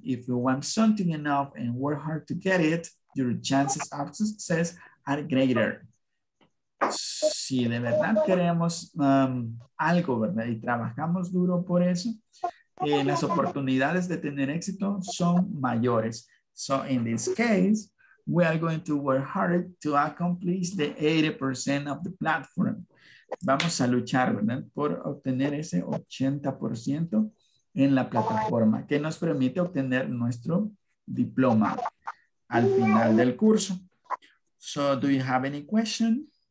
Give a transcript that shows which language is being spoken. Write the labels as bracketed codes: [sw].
[en] If you want something enough and work hard to get it, your chances of success are greater. [es] Si de verdad queremos algo, ¿verdad?, y trabajamos duro por eso, las oportunidades de tener éxito son mayores. [en] So in this case, we are going to work hard to accomplish the 80% of the platform. [es] Vamos a luchar, ¿verdad?, por obtener ese 80% en la plataforma que nos permite obtener nuestro diploma al final del curso. [en] So, do you have any question?